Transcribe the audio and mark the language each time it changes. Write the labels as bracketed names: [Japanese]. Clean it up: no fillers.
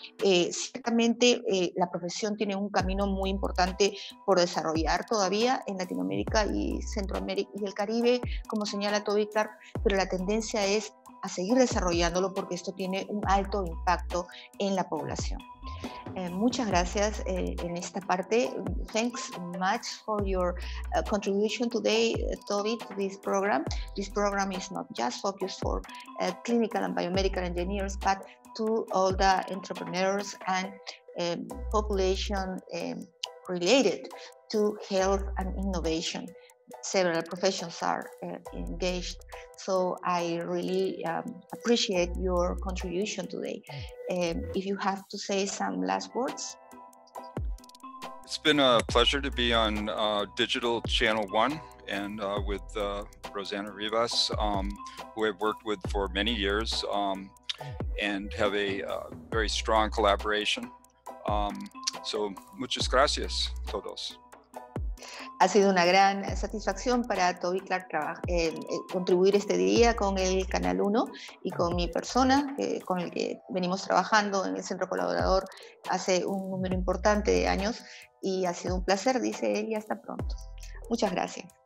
[Spanish] Ciertamente, la profesión tiene un camino muy importante por desarrollar todavía en Latinoamérica y Centroamérica y el Caribe, como señala Tobey Clark, pero la tendencia es a seguir desarrollándolo porque esto tiene un alto impacto en la población. Muchas gracias en esta parte. [English] Thanks much for your contribution today, Tobey, to this program. This program is not just focused for clinical and biomedical engineers, but to all the entrepreneurs and population related to health and innovation. Several professions are engaged, so I really appreciate your contribution today. If you have to say some last words. It's been a pleasure to be on Digital Channel 1 and with Rossana Rivas, who I've worked with for many years and have a very strong collaboration. [Spanish] So muchas gracias a todos. Ha sido una gran satisfacción para Tobey Clark contribuir este día con el Canal 1 y con mi persona, con el que venimos trabajando en el Centro Colaborador hace un número importante de años, y ha sido un placer, dice él, y hasta pronto. Muchas gracias.